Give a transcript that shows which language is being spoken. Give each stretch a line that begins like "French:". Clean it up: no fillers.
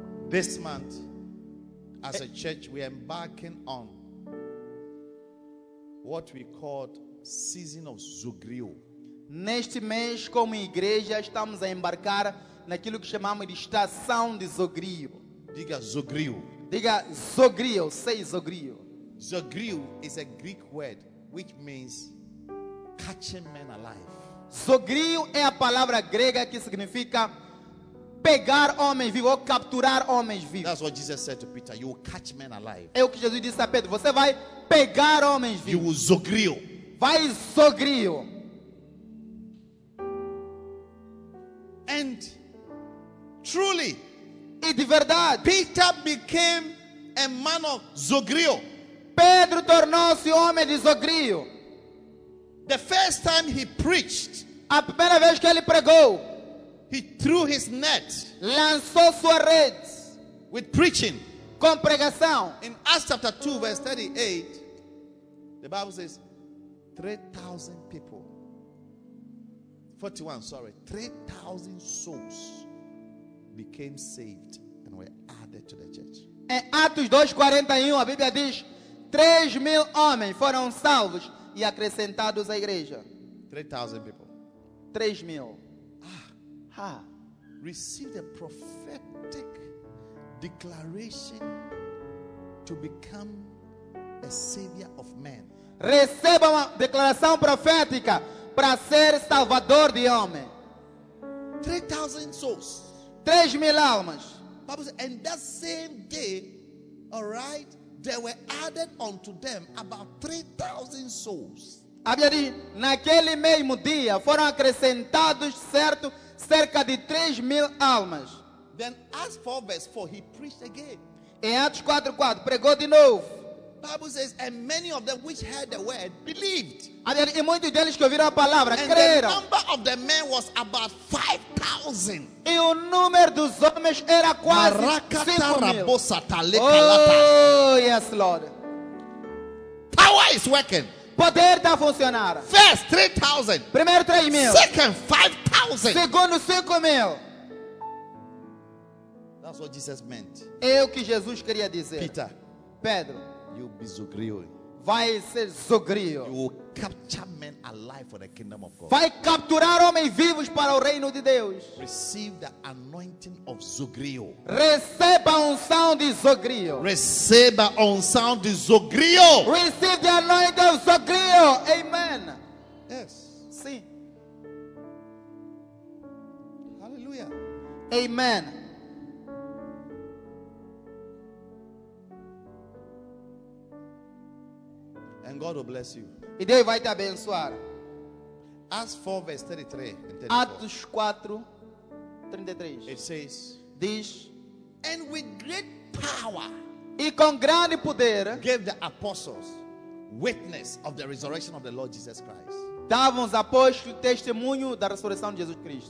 English: This month, as a church, we are embarking on what we called season of Zugrio.
Portuguese: Neste mês, como igreja, estamos a embarcar naquilo que chamamos de estação de Zugrio. Diga Zugrio. Diga Zugrio,
English: say Zugrio. Zugrio is a Greek word which means catching men alive.
Portuguese: Zugrio é a palavra grega que significa pegar homens vivos, ou capturar homens vivos.
English: That's what Jesus said to Peter. You will catch men alive.
Portuguese: É o que Jesus disse a Pedro. Você vai pegar homens vivos.
English: You will zogrio.
Portuguese: Vai zogrio.
English: And truly,
Portuguese: e de verdade,
English: Peter became a man of zogrio.
Portuguese: Pedro tornou-se homem de zogrio.
English: The first time he preached,
Portuguese: a primeira vez que ele pregou,
English: he threw his net,
Portuguese: lançou sua rede,
English: with preaching,
Portuguese: com pregação.
English: In Acts chapter 2 verse 38, the Bible says 3,000 people, 41, sorry, 3,000 souls became saved and were added to the church.
Portuguese: Em Atos 2:41, a Bíblia diz 3,000 homens foram salvos e acrescentados à igreja.
English: 3,000 people.
Portuguese: 3,000.
English: Received a prophetic declaration to become a savior of men.
Portuguese: Receba uma declaração profética para ser salvador de homem.
English: 3,000 souls.
Portuguese: 3,000 almas.
English: Bible says, and that same day, all right, there were added unto them about 3,000 souls.
Portuguese: Naquele mesmo dia foram acrescentados, certo, cerca de 3,000 almas.
English: Then Acts 4 verse 4, he preached again.
Portuguese: Em Atos 4:4, pregou de novo.
English: Bible says, and many of them which heard the word believed.
Portuguese: E muitos deles que ouviram a palavra creram.
English: The number of the men was about 5,000.
Portuguese: E o número dos homens era quase 5,000.
English: Oh yes, Lord. Power is working.
Portuguese: Poder está a funcionar.
English: First 3,000.
Portuguese: Primeiro 3,000.
English: Second 5,000.
Portuguese: Segundo 5,000.
English: That's what Jesus meant.
Portuguese: É o que Jesus queria dizer.
English: Peter,
Portuguese: Pedro,
English: you be zogrio.
Portuguese: Vai ser zogrio.
English: You will capture men alive for the kingdom of God.
Portuguese: Vai capturar homens vivos para o reino de Deus.
English: Receive the anointing of zogrio.
Portuguese: Receba unção de zogrio. Receba unção de zogrio.
English: Receive the anointing of zogrio. Amen. Yes.
Portuguese: Sim.
English: Hallelujah. Amen. And God will bless you.
Portuguese: E Deus vai te abençoar.
English: Acts 4 verse 33.
Portuguese: Atos 4:33.
English: It says,
Portuguese: diz,
English: and with great power,
Portuguese: e com grande poder,
English: gave the apostles witness of the resurrection of the Lord Jesus Christ.
Portuguese: Davam os apóstolos testemunho da ressurreição de Jesus Cristo.